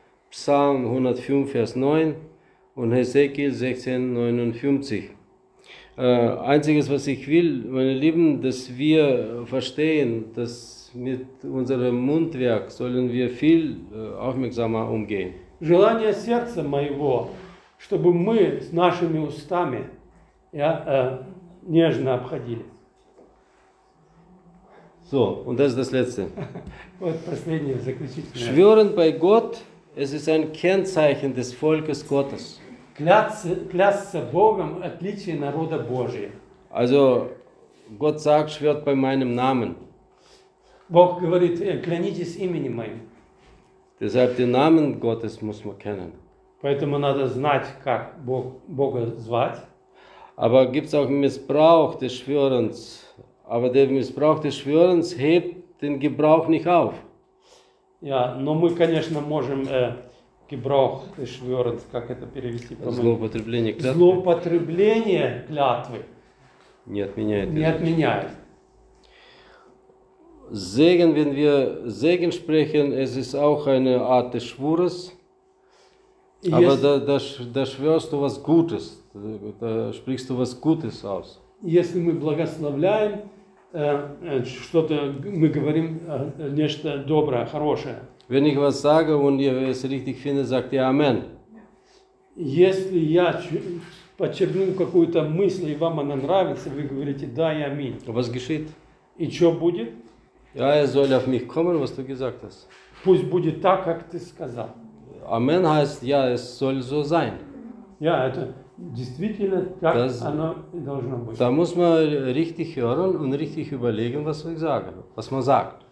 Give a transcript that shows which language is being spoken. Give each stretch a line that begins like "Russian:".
German: Psalm 105, Vers 9 und Hesekiel 16, 59. Einziges, was ich will, meine Lieben, dass wir verstehen, dass mit unserem Mundwerk sollen wir viel aufmerksamer umgehen.
Russian: Желание сердца моего, чтобы мы с нашими устами нежно обходили.
German: So, und das ist das Letzte.
Russian: Вот последнее, заключительное.
German: Schwören bei Gott, es ist ein Kennzeichen des Volkes Gottes.
Russian: Клясться Богом – отличие народа Божия.
German: Also, Gott sagt, schwört bei meinem Namen.
Russian: Бог говорит, клянитесь именем моим.
German: Deshalb den Namen Gottes muss man kennen.
Russian: Поэтому надо знать, как Бога звать.
German: Aber gibt es auch Missbrauch des Schwörens. Aber der Missbrauch des Schwörens hebt den Gebrauch nicht auf.
Russian: Ja, но мы, конечно, можем
German: gebrauch des Schwörens,
Russian: как это перевести? Злоупотребление клятвы. Злоупотребление клятвы. Не отменяет. Не отменяет.
German: Segen, wenn wir Segen sprechen, es ist auch eine Art des Schwures. Aber da schwörst du was Gutes. Da sprichst du was Gutes aus.
Russian: Если мы благословляем, что-то мы говорим, нечто доброе, хорошее.
German: Wenn ich was sage und ihr es richtig findet, sagt ihr Amen.
Russian: Если я подчеркну какую-то мысль, и вам она нравится, вы говорите да и аминь.
German: Was geschieht?
Russian: И что будет?
German: Ja, er soll auf mich kommen, was du gesagt hast.
Russian: Пусть будет так, как ты сказал.
German: Amen heißt, ja, es soll so sein.
Russian: Ja, это... Действительно, так das, оно и должно быть.
German: Da muss man richtig hören und richtig überlegen, was wir sagen, was man sagt.